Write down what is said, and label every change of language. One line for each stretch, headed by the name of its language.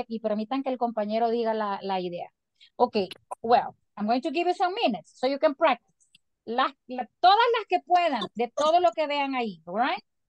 Spanish: Y permitan que el compañero diga la idea.
English: Okay. Well, I'm going to give you some minutes so you can practice.
Spanish: Todas las que puedan, de todo lo que vean ahí,
English: all right?